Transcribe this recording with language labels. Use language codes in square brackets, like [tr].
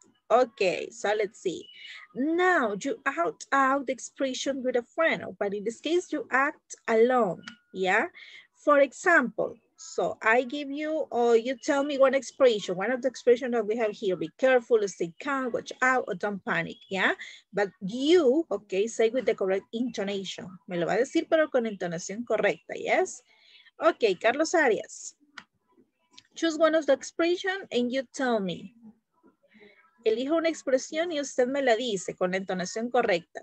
[en] Okay, so let's see. Now you act out the expression with a friend, but in this case you act alone, yeah? For example, so I give you, or you tell me one expression, one of the expressions that we have here, be careful, stay calm, watch out, or don't panic, yeah? But you, okay, say with the correct intonation. [es] Me lo va a decir, pero con intonación correcta, [en] yes? Okay, Carlos Arias, choose one of the expression and you tell me. [es] Elijo una expresión y usted me la dice con la entonación correcta.